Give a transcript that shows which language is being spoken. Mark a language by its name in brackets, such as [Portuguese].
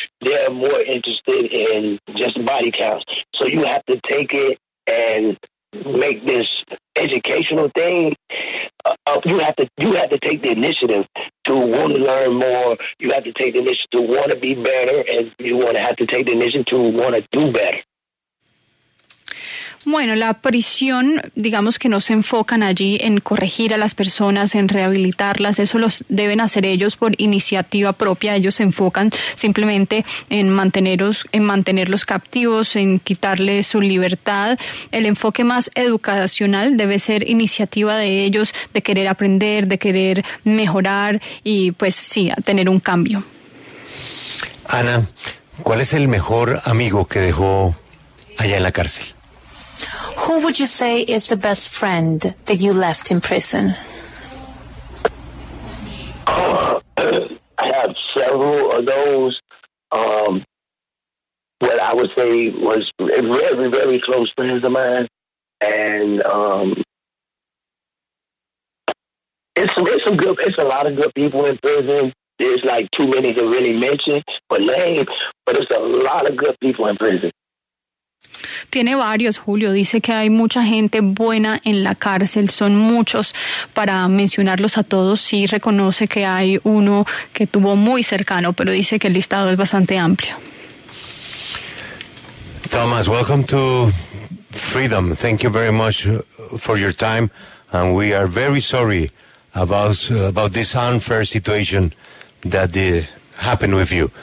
[English] They're more interested in just body counts. So you have to take it and make this educational thing. You have to take the initiative to want to learn more. You have to take the initiative to want to be better, and you want to have to take the initiative to want to do better. [Spanish] Bueno, la prisión, digamos que no se enfocan allí en corregir a las personas, en rehabilitarlas, eso los deben hacer ellos por iniciativa propia. Ellos se enfocan simplemente en mantenerlos captivos, en quitarles su libertad. El enfoque más educacional debe ser iniciativa de ellos, de querer aprender, de querer mejorar y pues sí, tener un cambio. Ana, ¿cuál es el mejor amigo que dejó allá en la cárcel? [English] Who would you say is the best friend that you left in prison? I have several of those. What I would say was very, very close friends of mine. And it's a lot of good people in prison. There's like too many to really mention for names, but it's a lot of good people in prison. [Spanish] Tiene varios, Julio. Dice que hay mucha gente buena en la cárcel. Son muchos para mencionarlos a todos. Sí, reconoce que hay uno que tuvo muy cercano, pero dice que el listado es bastante amplio. [English] Thomas, welcome to Freedom. Thank you very much for your time. And we are very sorry about this unfair situation that happened with you.